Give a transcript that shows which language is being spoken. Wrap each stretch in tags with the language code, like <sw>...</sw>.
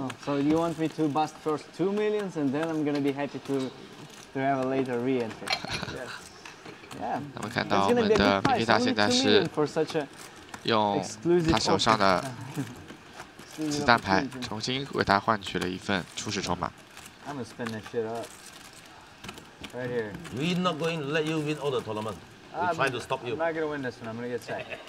<en>So you want me to bust first 2 millions and then I'm going to be happy to. To have a later re-entry.</en> <zh>那么看到我们的米吉塔现在是用他手上的子弹牌重新为他换取了一份初始筹码。</zh> <en>I'm gonna spend that shit up. Right here. We're not going to let you win all the tournament. We're trying to stop you. I'm not gonna win this one. I'm gonna get sacked.</en>